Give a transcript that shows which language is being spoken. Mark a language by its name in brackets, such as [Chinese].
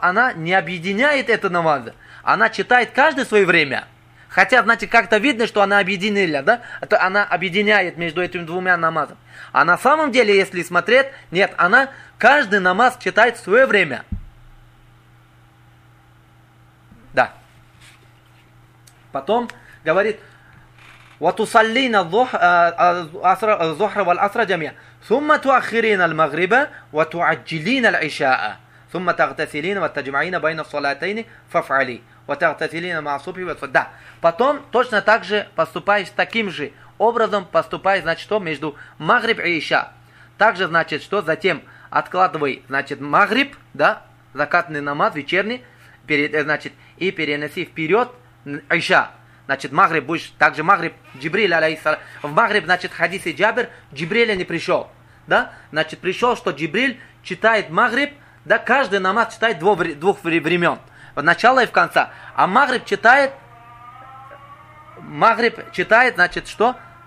[Russian] Она не объединяет это намазы. Она читает каждое свое время. Хотя, значит, как-то видно, что она объединила, да? Это она объединяет между этими двумя намазами. А на самом деле, если смотреть, нет, она каждый намаз читает в свое время. Да. [Arabic] Потом говорит, وَتُصَلِّينَ الظُّهْرَ وَالْأَسْرَ جَمِيعًا ثُمَّ تُؤَخِّرِينَ الْمَغْرِبَ وَتُعَجِّلِينَ الْعِشَاءَ ثُمَّ تَغْتَسِلِينَ وَتَجْمَعِينَ بَيْنَ الصَّلَاتَيْنِ فَافْعَلِي وَتَغْتَسِلِينَ مَعَ صُبْحِ وَالصَّلَاةِ. [Russian] Да, потом точно так же поступаешь, таким же образом поступаешь, значит, что между Магриб и Иша. Также, значит, что затем откладывай, значит, Магриб, да, закатный намаз вечерний, перед, значит, и переноси вперед Иша. Значит, Магриб будешь, также Магриб, Джибриль, алейхиссалам. В Магриб, значит, хадис и Джабир, Джибриля не пришел, да, значит, пришел, что Джибриль читает Магриб, да, каждый намаз читает двух времен, в начало и в конце, а Магриб читает, Магриб читает, значит, что?